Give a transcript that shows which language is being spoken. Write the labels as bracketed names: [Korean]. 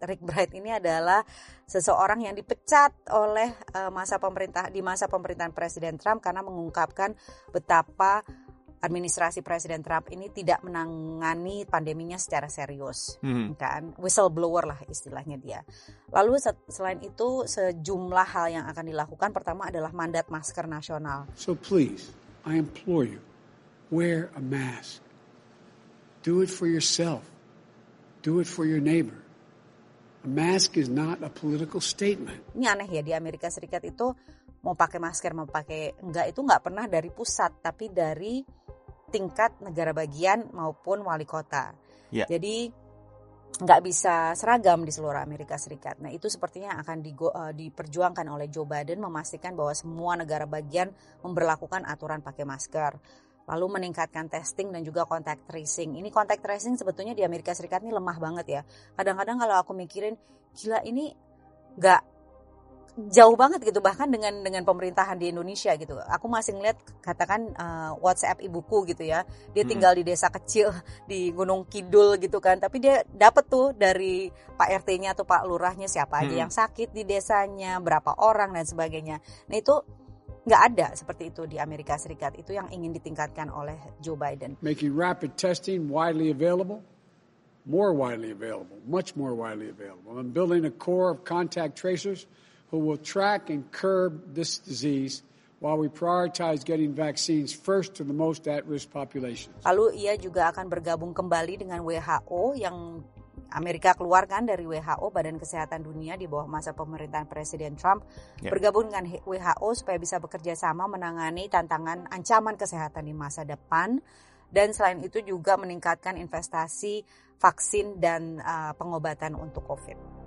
[Indonesian] Rick Bright ini adalah seseorang yang dipecat oleh masa pemerintahan Presiden Trump karena mengungkapkan betapa administrasi Presiden Trump ini tidak menangani pandeminya secara serius, kan? Whistleblower lah istilahnya dia. Lalu selain itu, sejumlah hal yang akan dilakukan, pertama adalah mandat masker nasional. [English] So please, I implore you, wear a mask. Do it for yourself. Do it for your neighbor. A mask is not a political statement. [Indonesian] Ini aneh ya, di Amerika Serikat itu mau pakai masker, mau pakai enggak, itu enggak pernah dari pusat, tapi dari tingkat negara bagian maupun wali kota. Yeah. Jadi nggak bisa seragam di seluruh Amerika Serikat. Nah, itu sepertinya akan diperjuangkan oleh Joe Biden, memastikan bahwa semua negara bagian memberlakukan aturan pakai masker. Lalu meningkatkan testing dan juga contact tracing. Ini contact tracing sebetulnya di Amerika Serikat ini lemah banget ya. Kadang-kadang kalau aku mikirin, gila ini nggak jauh banget gitu, bahkan dengan pemerintahan di Indonesia gitu. Aku masih ngeliat, katakan WhatsApp ibuku gitu ya, dia tinggal di desa kecil di Gunung Kidul gitu kan, tapi dia dapet tuh dari Pak RT-nya atau Pak Lurahnya siapa aja yang sakit di desanya, berapa orang dan sebagainya. Nah, itu gak ada seperti itu di Amerika Serikat. Itu yang ingin ditingkatkan oleh Joe Biden. [English] Making rapid testing widely available, more widely available, much more widely available, and building a core of contact tracers who will track and curb this disease while we prioritize getting vaccines first to the most at-risk populations. [Indonesian] Lalu ia juga akan bergabung kembali dengan WHO yang Amerika keluarkan dari WHO, Badan Kesehatan Dunia di bawah masa pemerintahan Presiden Trump, bergabung dengan WHO supaya bisa bekerja sama menangani tantangan ancaman kesehatan di masa depan. Dan selain itu juga meningkatkan investasi vaksin dan pengobatan untuk COVID.